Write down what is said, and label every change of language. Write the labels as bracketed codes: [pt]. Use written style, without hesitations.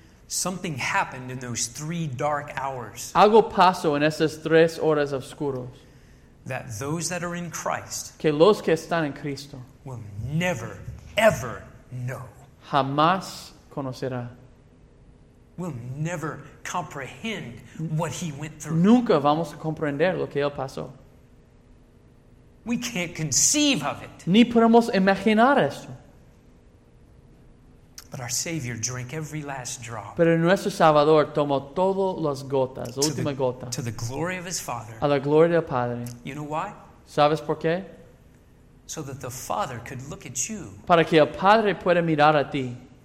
[en] Something happened in those three dark hours. [es] Algo pasó en esas tres horas oscuras. [en] That those that are in Christ. [es] Que los que están en Cristo. [en] Will never, ever know. [es] Jamás conocerá. [en] We'll never comprehend what he went through. [es] Nunca vamos a comprender lo que él pasó. [en] We can't conceive of it. [es] Ni podemos imaginar esto. [en] But our Savior drank every last drop. [es] Pero nuestro Salvador tomó todas las gotas, la última gota. [en] To the glory of his Father. [es] A la gloria del Padre. [en] You know why? [es] ¿Sabes por qué? [en] So that the Father could look at you. [es] Para que el Padre pueda mirar a ti.